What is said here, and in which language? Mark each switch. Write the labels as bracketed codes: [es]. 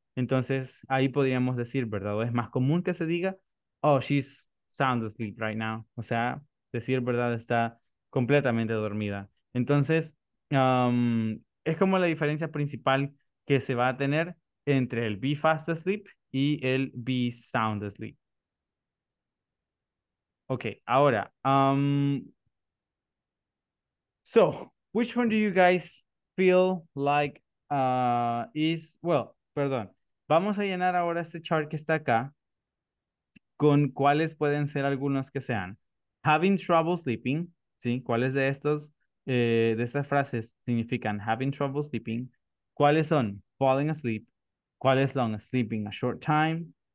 [es] Entonces, ahí podríamos decir, ¿verdad? O es más común que se diga, [en] oh, she's sound asleep right now. [es] O sea, decir, ¿verdad? Está completamente dormida. Entonces, es como la diferencia principal que se va a tener entre el [en] be fast asleep [es] y el [en] be sound asleep. [es] Ok, ahora. [en] So, which one do you guys feel like is, well, perdón. [es] Vamos a llenar ahora este chart que está acá con cuáles pueden ser algunos que sean. [en] Having trouble sleeping, [es] ¿sí? ¿Cuáles de estos, de estas frases significan [en] having trouble sleeping? [es] ¿Cuáles son [en] falling asleep? [es] ¿Cuáles son [en] sleeping a short time?